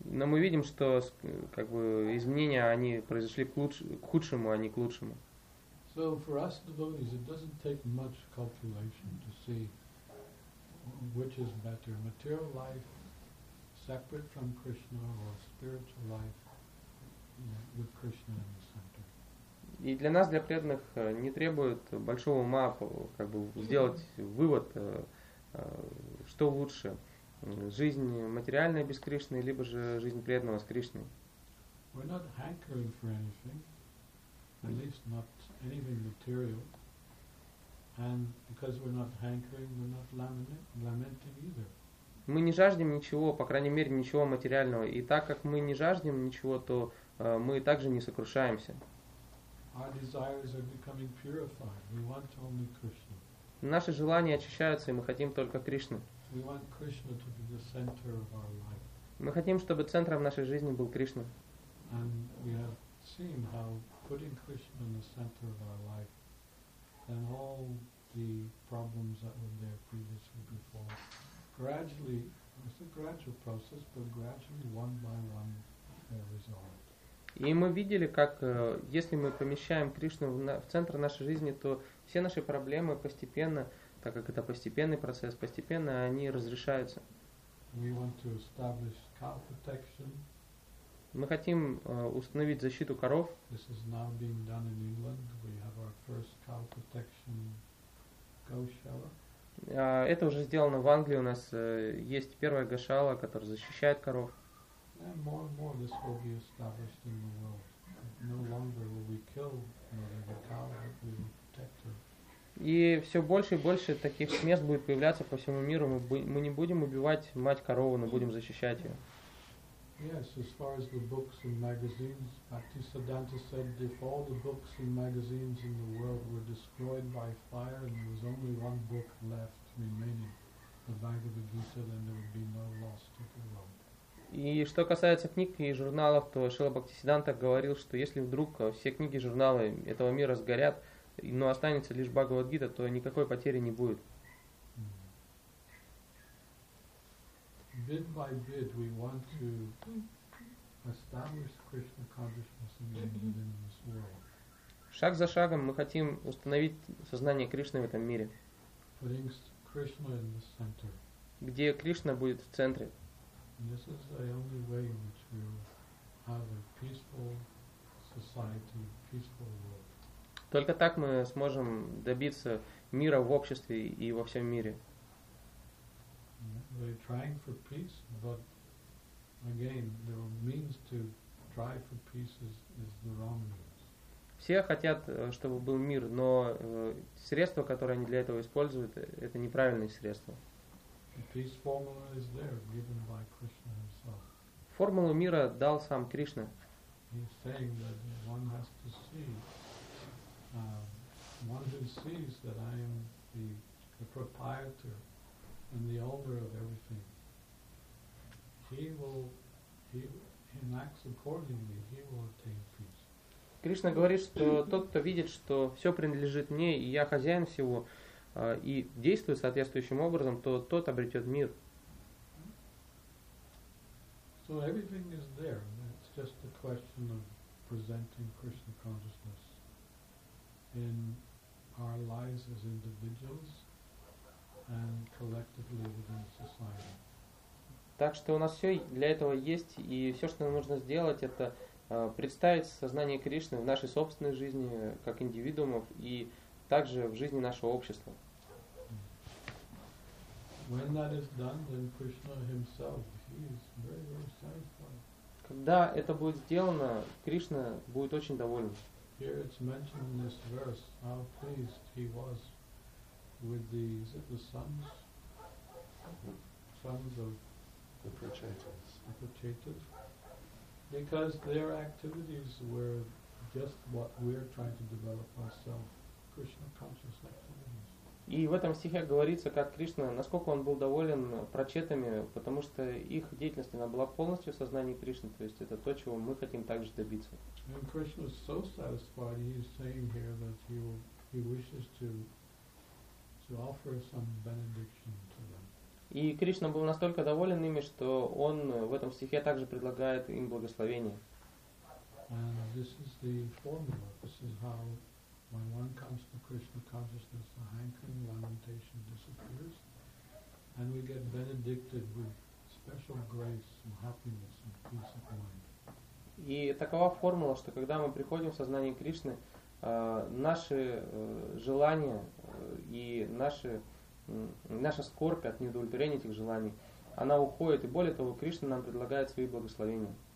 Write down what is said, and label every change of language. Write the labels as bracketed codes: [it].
[ru] Но мы видим, что, как бы, изменения, они произошли к худшему, а не к лучшему. [en] So for us devotees, it doesn't take much calculation to see which is better, material life separate from Krishna or spiritual life with Krishna in the center. [ru] И для нас, для преданных, не требует большого ума, как бы, сделать вывод, что лучше, жизнь материальная без Кришны, либо же жизнь преданного с Кришной. [en] We're not hankering for anything, at least not anything material. And because we're not hankering, we're not lamenting either. [ru] Мы не жаждем ничего, по крайней мере, ничего материального. И так как мы не жаждем ничего, то мы также не сокрушаемся. [en] Our desires are becoming purified. We want only Krishna. [ru] Наши желания очищаются, и мы хотим только Кришны. [en] We want Krishna to be the center of our life. [ru] Мы хотим, чтобы центром нашей жизни был Кришна. [en] And we have seen how putting Krishna in the center of our life, then all the problems that were there previously before, gradually, it's a gradual process, but gradually, one by one, they're resolved. [ru] И мы видели, как если мы помещаем Кришну в центр нашей жизни, то все наши проблемы постепенно, так как это постепенный процесс, постепенно они разрешаются. [en] We want to establish cow protection. [ru] Мы хотим установить защиту коров. [en] This is now being done in England. We have our first cow protection gauchala. [ru] Это уже сделано в Англии. У нас есть первая гашала, которая защищает коров. [en] And more and more this will be established in the world. No longer will we kill mother cow, but we will protect her. [ru] И все больше и больше таких мест будет появляться по всему миру. Мы не будем убивать мать корову, но будем защищать ее. [en] Yes, as far as the books and magazines, Bhaktisiddhanta said if all the books and magazines in the world were destroyed by fire and there was only one book left remaining, the Bhagavad Gita, then there would be no loss to the world. [ru] И что касается книг и журналов, то Шрила Бхактисиддханта говорил, что если вдруг все книги и журналы этого мира сгорят, но останется лишь Бхагавад-гита, то никакой потери не будет. [en] Bit by bit we want to establish Krishna consciousness within this world. [ru] Шаг за шагом мы хотим установить сознание Кришны в этом мире. [en] Putting Krishna in the center. [ru] Где Кришна будет в центре. [en] This is the only way in which we will have a peaceful society, peaceful world. [ru] Только так мы сможем добиться мира в обществе и во всем мире. [en] We're trying for peace, but again, the means to try for peace is the wrong means. [ru] Все хотят, чтобы был мир, но средства, которые они для этого используют, это неправильные средства. [en] The peace formula is there, given by Krishna himself. [ru] Формулу мира дал сам Кришна. [en] He's saying that one has to see. One who sees that I am the proprietor and the owner of everything, he will act accordingly. He will attain peace. [ru] Кришна говорит, что тот, кто видит, что все принадлежит мне и я хозяин всего, и действует соответствующим образом, то тот обретет мир. [en] So everything is there. It's just a question of presenting Krishna consciousness in our lives as individuals and collectively within society. [ru] Так что у нас все для этого есть, и все, что нам нужно сделать, это представить сознание Кришны в нашей собственной жизни как индивидуумов и также в жизни нашего общества. [en] When that is done, then Krishna himself, he is very, very satisfied. [ru] Когда это будет сделано, Кришна будет очень доволен. [en] Here it's mentioned in this verse how pleased he was with the, is it the sons? Sons of the Prachetas. The Prachetas. Because their activities were just what we're trying to develop ourselves, Krishna conscious activities. [ru] И в этом стихе говорится, как Кришна, насколько он был доволен прачетами, потому что их деятельность она была полностью в сознании Кришны, то есть это то, чего мы хотим также добиться. [en] And Krishna is so satisfied, he is saying here that he wishes to offer some benediction to them. [ru] И Кришна был настолько доволен ими, что он в этом стихе также предлагает им благословение. [en] And this is the formula. This is how when one comes to Krishna consciousness, the hankering, lamentation disappears, and we get benedicted with special grace and happiness and peace of mind. [ru] И такова формула, что когда мы приходим в сознание Кришны, наши желания и наша скорбь от неудовлетворения этих желаний, она уходит, и более того, Кришна нам предлагает свои благословения.